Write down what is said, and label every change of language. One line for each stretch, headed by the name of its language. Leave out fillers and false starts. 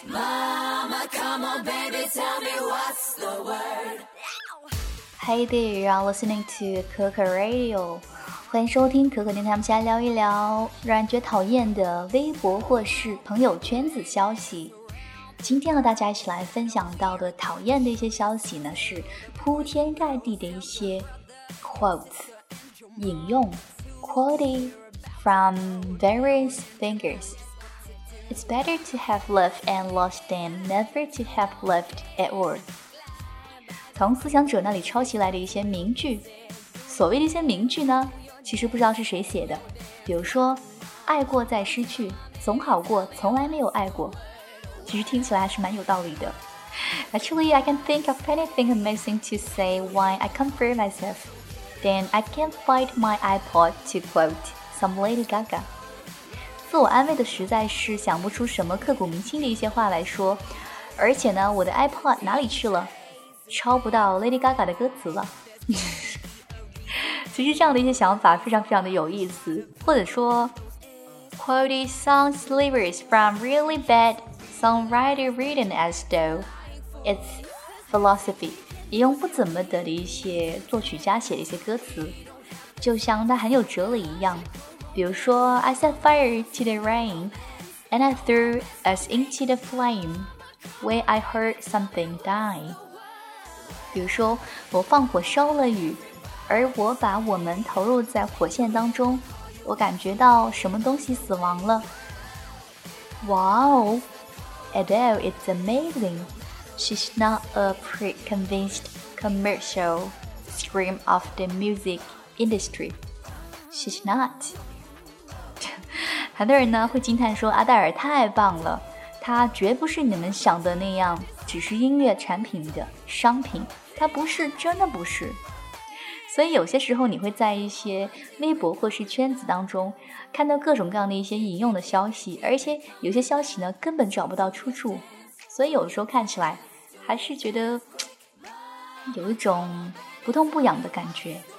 English: Mama, come on baby, tell me what's the word. Hey there, you are listening to Coco Radio.
Chinese: 欢迎收听可可电台，我们先来聊一聊让人觉得讨厌的微博或是朋友圈子消息。今天和大家一起来分享到的讨厌的一些消息呢，是铺天盖地的一些
English: quotes
Chinese: 引用
English: quoting from various thinkers. It's better to have loved and lost than never to have loved at all.
Chinese: 从思想者那里抄袭来的一些名句，所谓的一些名句呢，其实不知道是谁写的，比如说爱过再失去总好过从来没有爱过，其实听起来还是蛮有道理的。
English: Actually, I can think of anything amazing to say when I comfort myself. Then I can find my iPod to quote some Lady Gaga.
Chinese: 自我安慰的实在是想不出什么刻骨铭心的一些话来说，而且呢，我的 iPod 哪里去了，抄不到 Lady Gaga 的歌词了。其实这样的一些想法非常非常的有意思，或者说
English: quote song lyrics from really bad songwriter written as though it's philosophy，
Chinese: 也用不怎么得的一些作曲家写的一些歌词，就像它很有哲理一样。比如说
English: I set fire to the rain and I threw us into the flame where I heard something die。
Chinese: 比如说我放火烧了雨，而我把我们投入在火线当中，我感觉到什么东西死亡了。
English: Wow, Adele is amazing. She's not a pre-convinced commercial stream of the music industry. She's not.
Chinese: 很多人呢会惊叹说阿黛尔太棒了，她绝不是你们想的那样只是音乐产品的商品，她不是，真的不是。所以有些时候你会在一些微博或是圈子当中看到各种各样的一些引用的消息，而且有些消息呢根本找不到出处，所以有的时候看起来还是觉得有一种不痛不痒的感觉。